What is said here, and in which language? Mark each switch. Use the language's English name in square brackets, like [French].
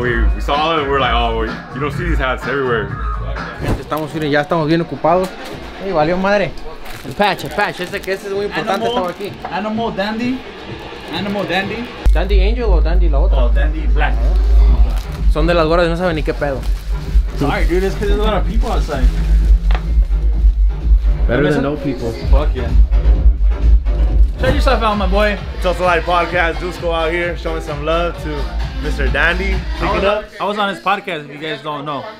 [English] We saw it and we're like, oh, well, you don't see these hats everywhere. [Spanish] Estamos bien ocupados. Hey, valió madre. El patch, ese es muy importante, estaba aquí. [English] Animal Dandy. [Spanish] Dandy Angel o Dandy la otra? [English] Oh, Dandy Black. [Spanish] Son de las gordas, no saben ni qué pedo. [English] Sorry, dude, it's because there's a lot of people outside. Better than no people. Fuck yeah. Check yourself out, my boy. Tulsa Life Podcast, Dusko out here, showing some love to Mr. Dandy. I was on his podcast, if you guys don't know.